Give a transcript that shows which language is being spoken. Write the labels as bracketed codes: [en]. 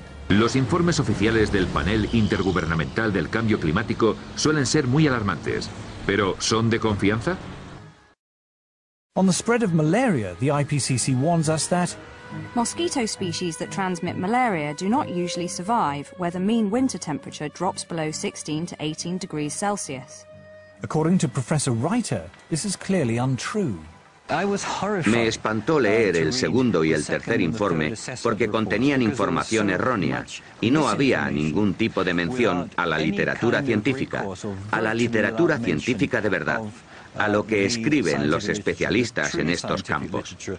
[es] Los informes oficiales del panel intergubernamental del cambio climático suelen ser muy alarmantes, pero ¿son de confianza? [en] On the spread of malaria, the IPCC warns us that mosquito species that transmit malaria do not usually survive where the mean winter temperature drops below 16 to 18 degrees Celsius. According to Professor Reiter, this is clearly untrue. [es] Me espantó leer el segundo y el tercer informe porque contenían información errónea y no había ningún tipo de mención a la literatura científica de verdad, a lo que escriben los especialistas en estos campos.